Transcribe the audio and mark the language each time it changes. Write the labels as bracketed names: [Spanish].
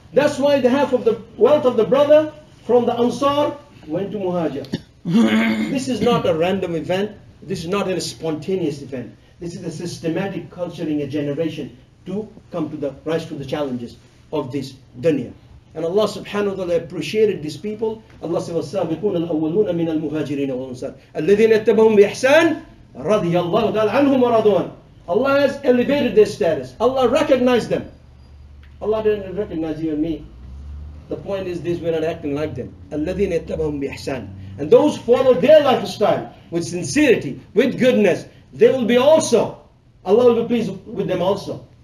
[English] That's why the half of the wealth of the brother from the Ansar went to Muhajir. This is not a random event. This is not a spontaneous event. This is a systematic culturing a generation to come to the rise to the challenges of this dunya. And Allah subhanahu wa ta'ala appreciated these people. [Arabic] Allah says, وَالسَّابِقُونَ الْأَوَّلُونَ مِنَ الْمُهَاجِرِينَ وَالْأَنْصَارِ الَّذِينَ اتَّبَهُمْ بِإِحْسَانِ رَضِيَ اللَّهُ تَعَالَ عَنْهُمْ وَرَضُونَ. [English] Allah has elevated their status. Allah recognized them. Allah didn't recognize you and me. The point is this, we're not acting like them. [Arabic] الَّذِينَ اتَّبَهُمْ بِإِحْسَانِ. [English] And those follow their lifestyle with sincerity, with goodness, they will be also, Allah will be pleased with them also.